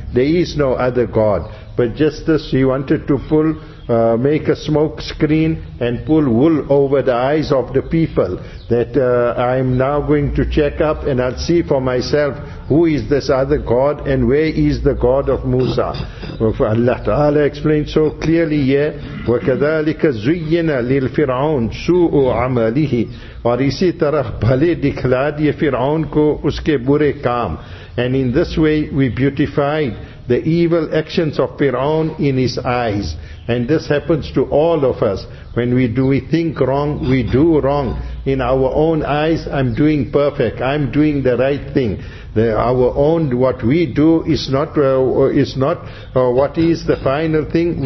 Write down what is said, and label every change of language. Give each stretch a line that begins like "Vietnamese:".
English: There is no other God. But just this, he wanted to make a smoke screen and pull wool over the eyes of the people, that I am now going to check up and I'll see for myself who is this other God and where is the God of Musa. Allah Ta'ala explained so clearly here,
Arabic: وَكَذَلِكَ زُيِّنَ لِلْفِرْعَوْنِ سُوءُ عَمَلِهِ,
Urdu: اور اسی طرح بھلے دکھلا دیے فرعون کو اس کے برے کام.
English: And in this way we beautified the evil actions of Fir'aun in his eyes. And this happens to all of us. When we think wrong, we do wrong. In our own eyes, I'm doing perfect. I'm doing the right thing. What we do is not what is the final thing.